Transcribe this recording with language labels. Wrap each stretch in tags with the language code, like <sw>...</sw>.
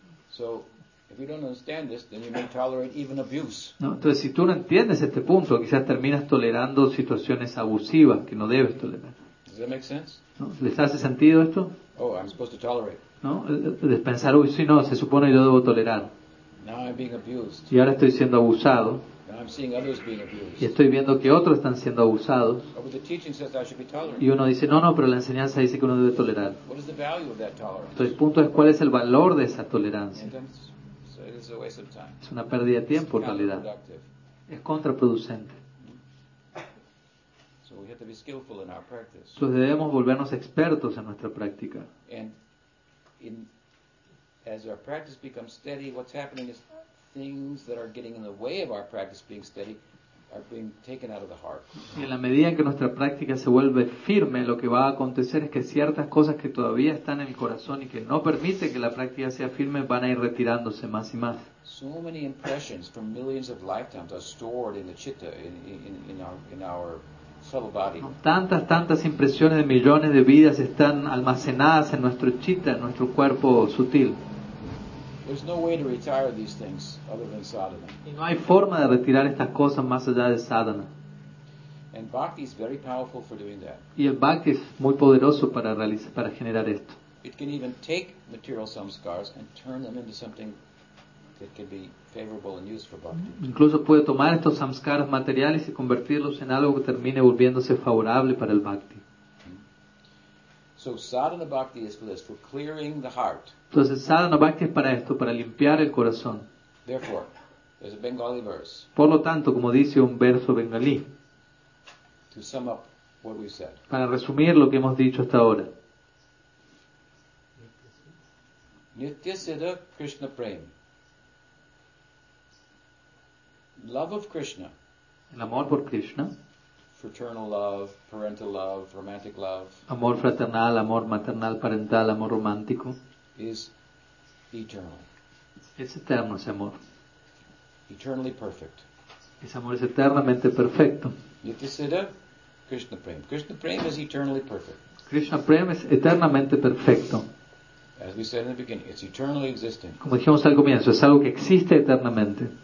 <en>So, if you don't understand this, then you may tolerate even abuse.</en> <es>No, entonces si tú no entiendes este punto, quizás terminas tolerando situaciones abusivas que no debes tolerar.</es> <en>Does that make sense?</en> <es>¿No? ¿Les hace sentido esto?</es> <en>Oh, I'm supposed to tolerate.</en> <es>No, de pensar, uy, sí, no, se supone yo debo tolerar.</es> <en>Now I'm being abused.</en> <es>Y ahora estoy siendo abusado.</es> <en>I'm seeing others being abused.</en> <es>Y estoy viendo que otros están siendo abusados.</es> <en>But the teaching says I should be tolerant.</en> <es>Y uno dice, no, no, pero la enseñanza dice que uno debe tolerar.</es> <en>What is the value of that tolerance?</en> <es>Entonces el punto es, ¿cuál es el valor de esa tolerancia?</es> <en>And it's a waste of time.</en> <es>Es una pérdida de tiempo,</es> <en>it's</en> <es>en realidad. Es contraproducente.</es> <en>So we have to be skillful in our practice.</en> <es>Entonces debemos volvernos expertos en nuestra práctica.</es> <en>And in, as our practice becomes steady, what's happening is things that are getting in the way of our practice being steady are being taken out of the heart.</en> <es>Y en la medida en que nuestra práctica se vuelve firme, lo que va a acontecer es que ciertas cosas que todavía están en el corazón y que no permiten que la práctica sea firme van a ir retirándose más y más.</es> <en>So many impressions from millions of lifetimes are stored in the chitta, in our subtle body.</en> <es>Tantas impresiones de millones de vidas están almacenadas en nuestro chitta, en nuestro cuerpo sutil.</es> <en>There's no way to retire these things other than sadhana.</en> <es>Y no hay forma de retirar estas cosas más allá de sadhana.</es> <en>And bhakti is very powerful for doing that.</en> <es>Y el bhakti es muy poderoso para realizar, para generar esto.</es> <en>It can even take material samskaras and turn them into something that can be favorable and used for bhakti.</en> <es>Incluso puede tomar estos samskaras materiales y convertirlos en algo que termine volviéndose favorable para el bhakti.</es> <en>So sadhana bhakti is for this, for clearing the heart.</en> <es>Entonces sadhana bhakti es para esto, para limpiar el corazón.</es> <en>Therefore, there's a Bengali verse.</en> <es>Por lo tanto, como dice un verso bengalí.</es> <en>To sum up what we said.</en> <es>Para resumir lo que hemos dicho hasta ahora.</es> <bn>Nitya Siddha Krishna Prem.</bn> <en>Love of Krishna.</en> <es>El amor por Krishna.</es> <en>Fraternal love, parental love, romantic love.</en> <es>Amor fraternal, amor maternal, parental, amor romántico.</es> <en>Is eternal.</en> <es>Es eterno ese amor.</es> <en>Eternally perfect.</en> <es>Ese amor es eternamente perfecto.</es> <en>Nitya Siddha Krishna Prem. Krishna Prem is eternally perfect.</en> <es>Krishna Prem es eternamente perfecto.</es> <en>As we said in the beginning, it's eternally existing.</en> <es>Como dijimos al comienzo, es algo que existe eternamente.</es>